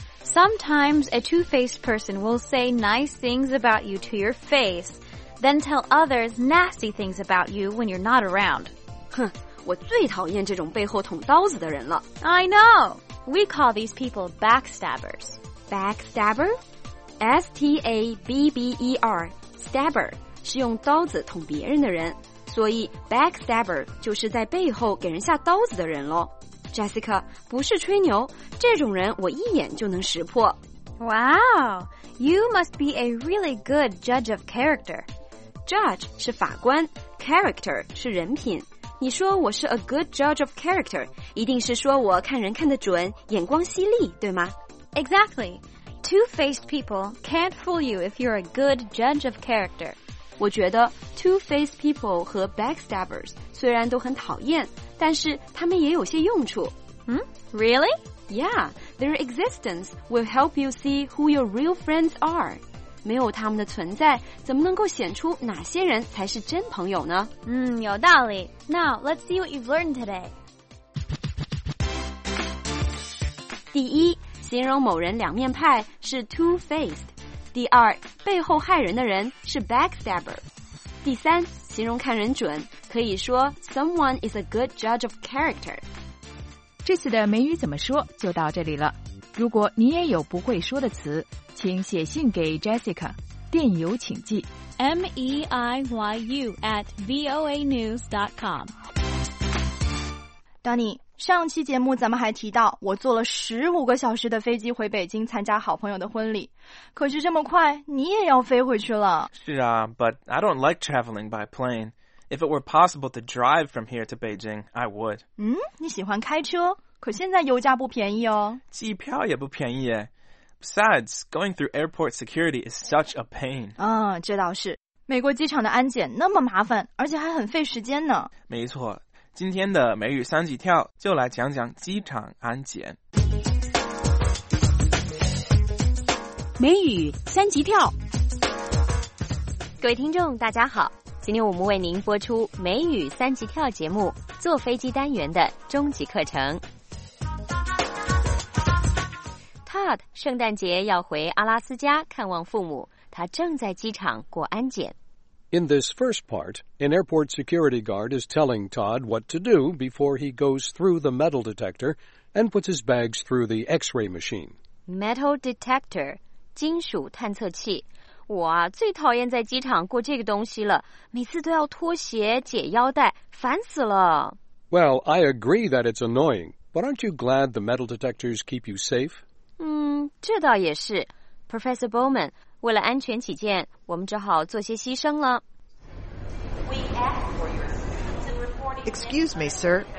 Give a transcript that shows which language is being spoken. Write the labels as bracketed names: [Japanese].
[English] Sometimes a two-faced person will say nice things about you to your face. then tell others nasty things about you when you're not around. [Chinese] 哼，我最讨厌这种背后捅刀子的人了。 [English] I know. We call these people backstabbers. Backstabber? S-T-A-B-B-E-R. [Chinese] Stabber 是用刀子捅别人的人，所以 backstabber 就是在背后给人下刀子的人咯。 Jessica, 不是吹牛，这种人我一眼就能识破。 [English] Wow, you must be a really good judge of character. [Chinese] Judge 是法官， character 是人品。你说我是 a good judge of character, 一定是说我看人看得准，眼光犀利，对吗？ [English] Exactly. Two-faced people can't fool you if you're a good judge of character. [Chinese] 我觉得 two-faced people 和 backstabbers 虽然都很讨厌，但是他们也有些用处。 [English] Really? Yeah, their existence will help you see who your real friends are. [Chinese] 没有他们的存在，怎么能够显出哪些人才是真朋友呢？有道理。 [English] Now, let's see what you've learned today. [Chinese] 第一，形容某人两面派是 two-faced. 第二，背后害人的人是 backstabber. 第三，形容看人准，可以说 [English] someone is a good judge of character. [Chinese] 这次的美语怎么说就到这里了。如果你也有不会说的词，请写信给 Jessica， 电邮请寄 meiyu@voanews.com。 Danny， 上期节目咱们还提到，我坐了15个小时的飞机回北京参加好朋友的婚礼。可是这么快，你也要飞回去了。是啊 [English] ，but I don't like traveling by plane. If it were possible to drive from here to Beijing, I would. [Chinese] 你喜欢开车，可现在油价不便宜哦。机票也不便宜耶。 [English] Besides, going through airport security is such a pain. [Chinese] 这倒是。美国机场的安检那么麻烦，而且还很费时间呢。没错，今天的美语三级跳就来讲讲机场安检。美语三级跳。各位听众，大家好。今天我们为您播出美语三级跳节目坐飞机单元的终极课程。 Todd 圣诞节要回阿拉斯加看望父母，他正在机场过安检。 [English] In this first part, an airport security guard is telling Todd what to do before he goes through the metal detector and puts his bags through the X-ray machine. [Chinese] Metal detector, 金属探测器。我啊，最讨厌在机场过这个东西了，每次都要脱鞋解腰带，烦死了。 [English] Well, I agree that it's annoying, but aren't you glad the metal detectors keep you safe? [Chinese] 这倒也是。Professor Bowman, 为了安全起见，我们只好做些牺牲了。 [English] Excuse me, sir.